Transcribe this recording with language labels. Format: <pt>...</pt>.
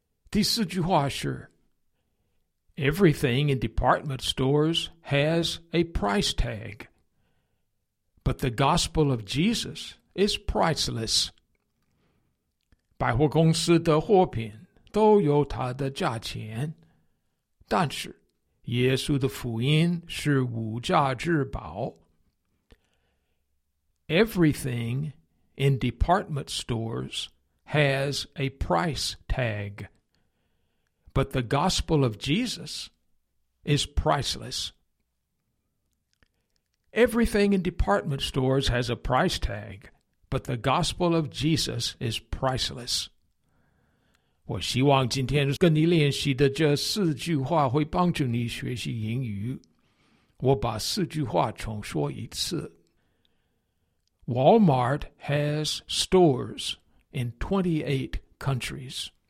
<zh>第四句话是</zh> <en>Everything in department stores has a price tag, but the gospel of Jesus is priceless.</en> <zh>百货公司的货品都有它的价钱，但是耶稣的福音是无价之宝。</zh> <en>Everything in department stores has a price tag, but the gospel of Jesus is priceless. Everything in department stores has a price tag, but the gospel of Jesus is priceless.</en> <zh>我希望今天跟你练习的这四句话会帮助你学习英语。我把四句话重说一次。</zh> <en>Walmart has stores in 28 countries.</en>